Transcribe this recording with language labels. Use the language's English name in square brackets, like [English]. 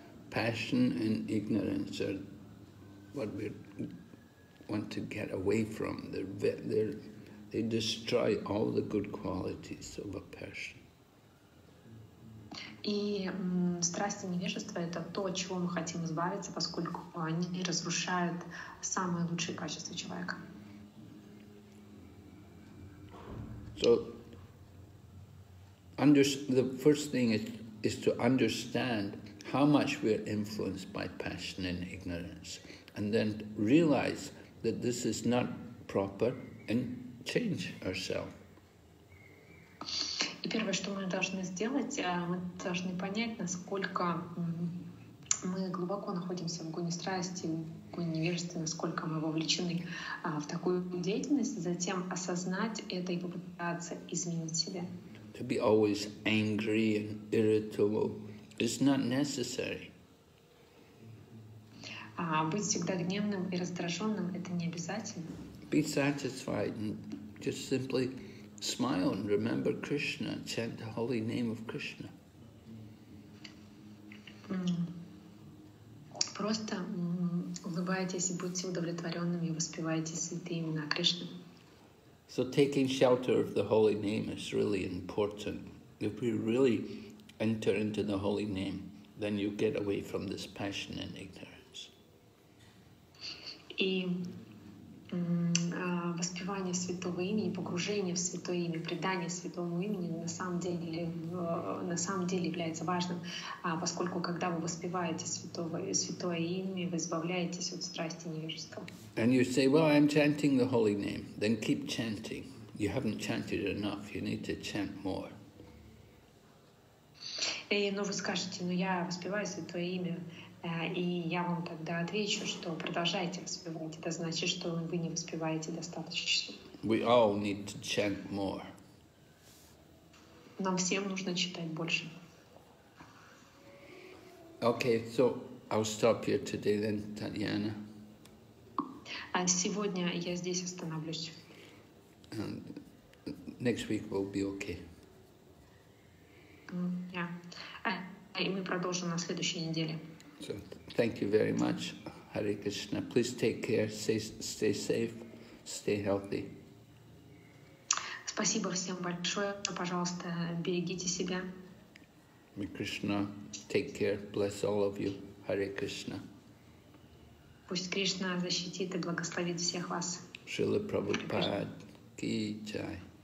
[English] Passion and ignorance are what we want to get away from. They destroy all the good qualities of a person. [Russian] И страсть и невежество — это то, от чего мы хотим избавиться, поскольку они разрушают самые лучшие качества человека. [English] So, the first thing is to understand how much we are influenced by passion and ignorance, and then realize that this is not proper and change ourselves. [Russian] И первое, что мы должны сделать, мы должны понять, насколько мы глубоко находимся в гоне страсти, в гоне невежества, насколько мы вовлечены в такую деятельность, затем осознать это и попытаться изменить себя. [English] To be always angry and irritable is not necessary. [Russian] Быть всегда гневным и раздраженным — это не обязательно. [English] Be satisfied and just simply smile and remember Krishna, chant the holy name of Krishna. [Russian] Просто улыбайтесь и будьте удовлетворенными, воспевайте святые имена Кришны. [English] So taking shelter of the holy name is really important. If we really enter into the holy name, then you get away from this passion and ignorance. [Russian] И воспевание святого имени, погружение в святое имя, предание святому имени на самом деле является важным, поскольку когда вы воспеваете святое имя, вы избавляетесь от страсти и невежества. [English] And you say, well, I'm chanting the holy name. Then keep chanting. You haven't chanted enough. You need to chant more. [Russian] Но вы скажете, ну я воспеваю святое имя. И я вам тогда отвечу, что продолжайте воспевать. Это значит, что вы не воспеваете достаточно. [English] We all need to chant more. [Russian] Нам всем нужно читать больше. [English] Okay, so I'll stop here today then, Татьяна. [Russian] А сегодня я здесь остановлюсь. [English] And next week will be okay. Yeah. [Russian] И мы продолжим на следующей неделе. [English] So, thank you very much, Hare Krishna. Please take care, stay safe, stay healthy. [Russian] Спасибо всем большое. Пожалуйста, берегите себя. [English] May Krishna take care, bless all of you. Hare Krishna. [Russian] Пусть Кришна защитит и благословит всех вас. Шрила Прабхупада ки джай.